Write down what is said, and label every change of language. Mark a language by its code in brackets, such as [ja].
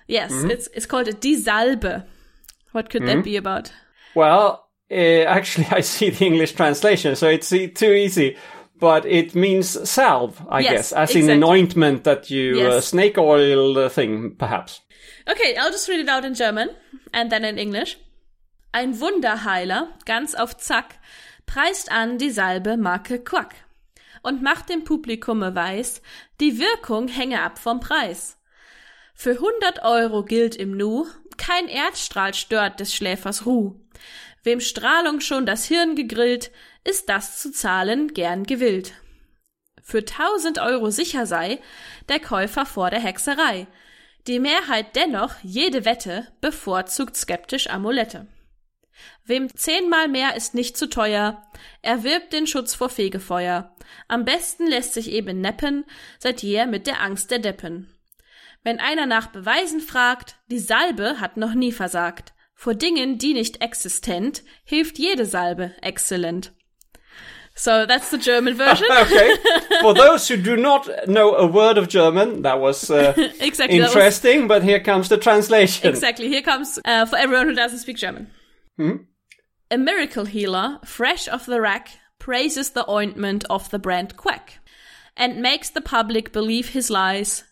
[en] Yes, it's called Die Salbe. What could that be about? Well, actually, I see the English translation, so it's too easy. But it means salve, I guess, as exactly. In anointment that you, snake oil thing, perhaps. Okay, I'll just read it out in German and then in English. [de] Ein Wunderheiler, ganz auf Zack, preist an die Salbe Marke Quack und macht dem Publikum weiß, die Wirkung hänge ab vom Preis. Für 100 € gilt im Nu, kein Erdstrahl stört des Schläfers Ruh. Wem Strahlung schon das Hirn gegrillt, ist das zu zahlen gern gewillt. Für 1000 € sicher sei der Käufer vor der Hexerei. Die Mehrheit dennoch, jede Wette, bevorzugt skeptisch Amulette. Wem 10-mal mehr ist nicht zu teuer, erwirbt den Schutz vor Fegefeuer. Am besten lässt sich eben neppen, seit jeher mit der Angst der Deppen. Wenn einer nach Beweisen fragt, die Salbe hat noch nie versagt. Vor Dingen, die nicht existent, hilft jede Salbe exzellent. [en] So that's the German version. Okay. For those who do not know a word of German, that was exactly, interesting, that was... but here comes the translation. Exactly. Here comes for everyone who doesn't speak German. A miracle healer, fresh off the rack, praises the ointment of the brand Quack and makes the public believe his lies.